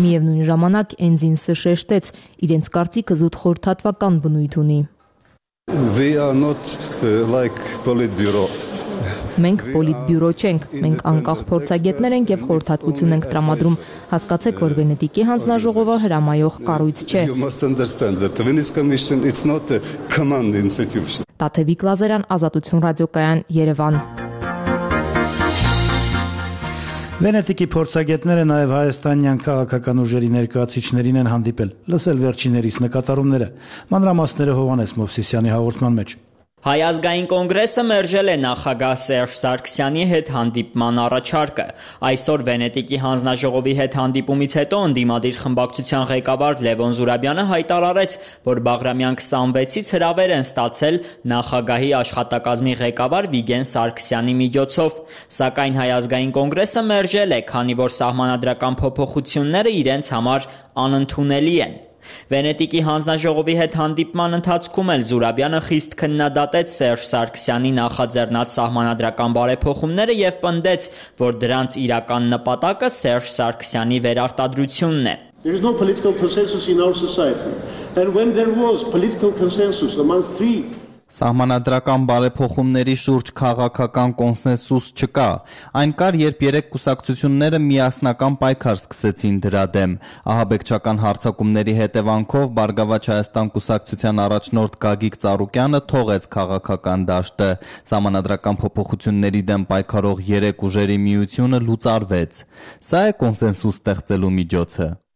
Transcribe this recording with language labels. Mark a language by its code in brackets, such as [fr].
[hy] Միևնույն ժամանակ Ենձինսը շեշտեց, իրենց կարծիքը զուտ խորհրդատվական բնույթ ունի. [en] We are not like Politburo. [hy] Մենք Politburo չենք, մենք անկախ փորձագետներ ենք եւ խորհրդատվություն ենք տրամադրում։ Հասկացեք, որ Վենետիկի հանձնաժողովը հրամայող կառույց չէ։ [en] You must understand that the Venice Commission it's not a command institution. [hy] Տաթևիկ Լազարյան, Ազատություն ռադիոկայան, Երևան։ Վենետիկի փորձագետները նաև հայաստանյան քաղաքական ուժերի ներկայացիչներին են հանդիպել, լսել վերջիններիս նկատառումները։ Մանրամասները Հովհանես Մովսիսյանի հաղորդման մեջ։ Հայազգային կոնգրեսը մերժել է նախագահ Սերժ Սարգսյանի հետ հանդիպման առաջարկը։ Այսօր Վենետիկի հանձնաժողովի հետ հանդիպումից հետո ընդդիմադիր խմբակցության ղեկավար Լևոն Զուրաբյանը հայտարարեց, որ Բաղրամյան 26-ից հրավեր են ստացել նախագահի աշխատակազմի ղեկավար Վիգեն Սարգսյանի միջոցով, սակայն Հայազգային կոնգրեսը մերժել է, քանի որ սահմանադրական փոփոխությունները իրենց համար անընդունելի են։ Վենետիկի հանձնաժողովի հետ հանդիպման ընթացքում էլ Զուրաբյանը խիստ քննադատեց Սերժ Սարգսյանի նախաձեռնած սահմանադրական բարեփոխումները և պնդեց, որ դրանց իրական նպատակը Սերժ Սարգսյանի վերարտադրությունն է. [en] There is no political consensus in our society. And when there was political consensus among three... [hy] Սահմանադրական բարեփոխումների շուրջ քաղաքական կոնսենսուս չկա, այն կար, երբ երեք կուսակցությունները միասնական պայքար սկսեցին դրա դեմ։ Ահաբեկչական հարցակումների հետևանքով Բարգավաճ Հայաստան կուսակցության առաջնորդ Գագիկ Ծառուկյանը թողեց քաղաքական դաշտը։ Սահմանադրական փոփոխությունների դեմ պայքարող երեք ուժերի միությունը լուծարվեց։ Սա է կոնսենսուս ստեղծելու միջոցը։